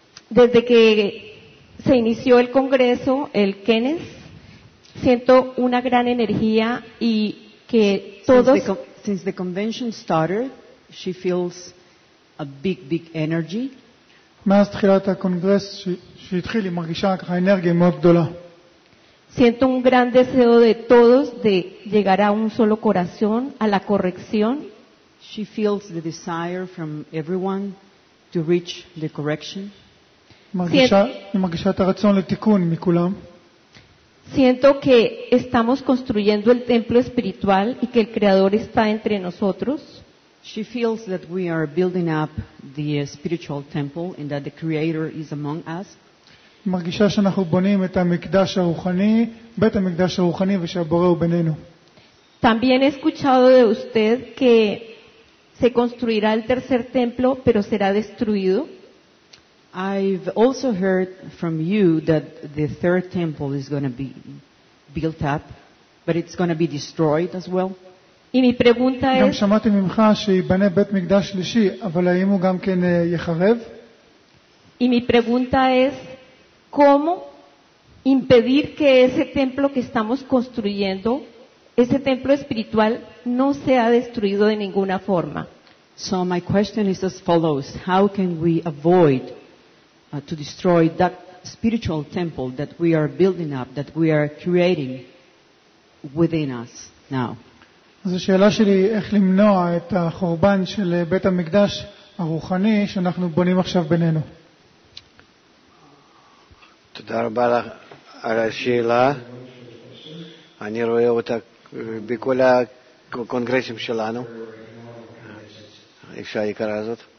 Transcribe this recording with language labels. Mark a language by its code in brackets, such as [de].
[es] Desde que se inició el congreso, el Kenneth, siento una gran energía y que todos... [en] Since the convention started, she feels a big, big energy. [he] מאז תחילת הקונגרס שהתחיל, היא מרגישה ככה אנרגיה מאוד גדולה. [es] Siento un gran deseo de todos de llegar a un solo corazón, a la corrección. [en] She feels the desire from everyone to reach the correction. [he] מרגישה את הרצון לתיקון מכולם. [es] Siento que estamos construyendo el templo espiritual y que el creador está entre nosotros. [en] She feels that we are building up the spiritual temple and that the creator is among us. [he] מרגישה שאנחנו בונים את המקדש הרוחני, בית המקדש הרוחני, ושהבורא הוא בינינו. [es] También he escuchado de usted que se construirá el tercer templo, pero será destruido. [en] I've also heard from you that the third temple is going to be built up, but it's going to be destroyed as well. [es] Y mi pregunta es... [he] גם שמעתי ממך שיבנה בית מקדש שלישי, אבל האם הוא גם כן יחרב? [es] Y mi pregunta es... ¿Cómo impedir que ese templo que estamos construyendo, ese templo espiritual, no sea destruido de ninguna forma? [en] So my question is as follows. How can we avoid to destroy that spiritual temple that we are building up, that we are creating within us now? [he] אז השאלה שלי, איך למנוע את החורבן של בית המקדש הרוחני שאנחנו בונים עכשיו בינינו? תודה רבה לך על השאלה. אני רואה אותה בכל הקונגרסים שלנו, אישה היקרה הזאת.